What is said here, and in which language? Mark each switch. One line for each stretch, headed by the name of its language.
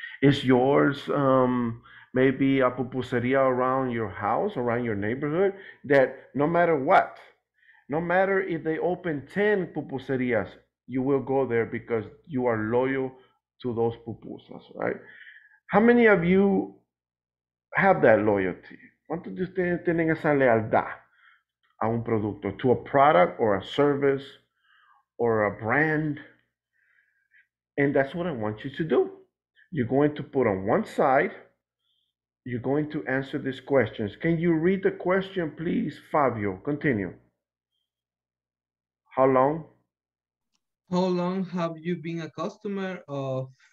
English: Is yours maybe a pupuseria around your house, around your neighborhood, that no matter what, no matter if they open 10 pupuserias, you will go there because you are loyal to those pupusas, right? How many of you have that loyalty?
Spanish: ¿Cuántos de ustedes tienen esa lealtad a un producto,
English: to a product or a service or a brand? And that's what I want you to do. You're going to put on one side, you're going to answer these questions. Can you read the question, please, Fabio? Continue. How long? How long have you been a customer of...